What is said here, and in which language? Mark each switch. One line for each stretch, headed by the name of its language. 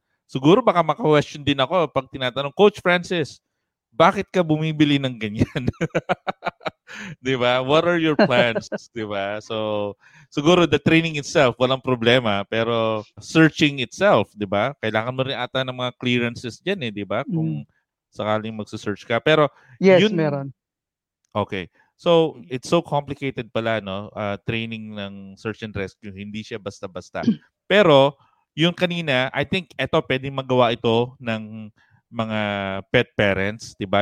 Filipino: Siguro baka maka-question din ako pag tinatanong, Coach Francis, bakit ka bumibili ng ganyan? Diba?
English: What are your plans? Diba? So,
Filipino: siguro
English: the training itself,
Filipino: walang problema. Pero searching itself, diba? Kailangan mo rin ata ng mga clearances dyan, eh, diba? Kung sakaling magsa-search ka. Pero, yes, yun, meron.
English: Okay. So, it's so complicated pala, no? Training ng search and rescue.
Filipino: Hindi siya basta-basta. Pero, yung kanina, I think ito, pwedeng magawa ito ng mga pet parents, diba?